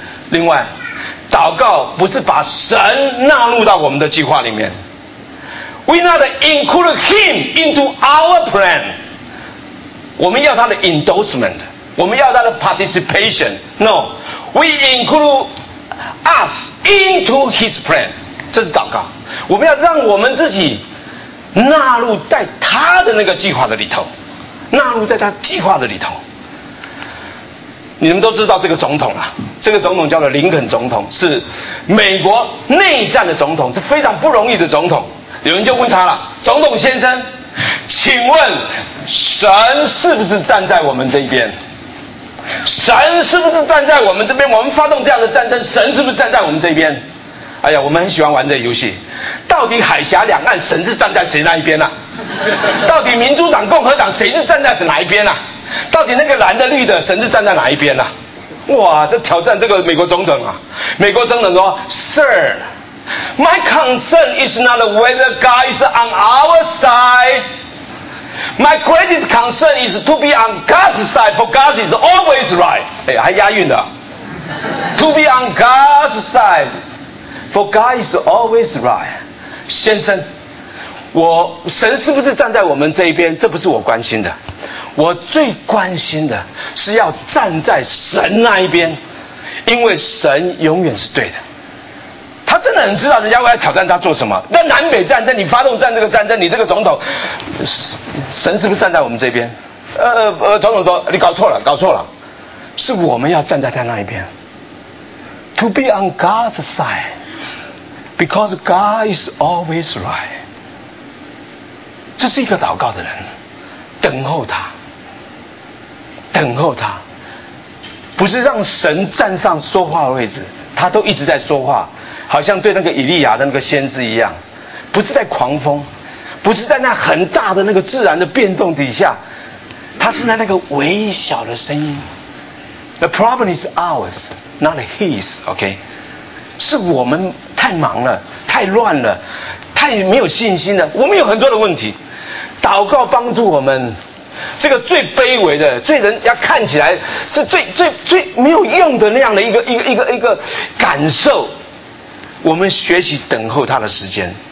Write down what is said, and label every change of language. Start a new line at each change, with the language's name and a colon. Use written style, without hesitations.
Chinese: 另外，祷告不是把神纳入到我们的计划里面，
English: We not include him into our plan。
Chinese: 我们要他的 endorsement， 我们要他的 participation。
English: No， we include us into his plan，
Chinese: 这是祷告。我们要让我们自己纳入在他的那个计划的里头，纳入在他计划的里头。你们都知道这个总统啊，这个总统叫做林肯总统，是美国内战的总统，是非常不容易的总统。有人就问他了，总统先生，请问神是不是站在我们这边？神是不是站在我们这边？我们发动这样的战争，神是不是站在我们这边？哎呀，我们很喜欢玩这个游戏，到底海峡两岸神是站在谁那一边啊？到底民主党共和党谁是站在哪一边啊？到底那个蓝的绿的神是站在哪一边啊？哇，这挑战这个美国总统啊。美国总统说，
English: Sir，My concern is not whether God is on our side. My greatest concern is to be on God's side, for God is always right.
Chinese: 哎，还押韵的。
English: To be on God's side, for God is always right.
Chinese: 先生，我神是不是站在我们这一边？这不是我关心的。我最关心的是要站在神那一边，因为神永远是对的。他真的很知道人家会来挑战他做什么。那南北战争，你发动战这个战争，你这个总统，神是不是站在我们这边？总统说你搞错了，搞错了，是我们要站在他那一边。
English: To be on God's side, because God is always right.
Chinese: 这是一个祷告的人，等候他，等候他，不是让神站上说话的位置。他都一直在说话，好像对那个以利亚的那个先知一样，不是在狂风，不是在那很大的那个自然的变动底下，他是在那个微小的声音。
English: The problem is ours, not his, OK?
Chinese: 是我们太忙了，太乱了，太没有信心了，我们有很多的问题。祷告帮助我们这个最卑微的，最人要看起来是最没有用的那样的一个感受，我们学习等候他的时间。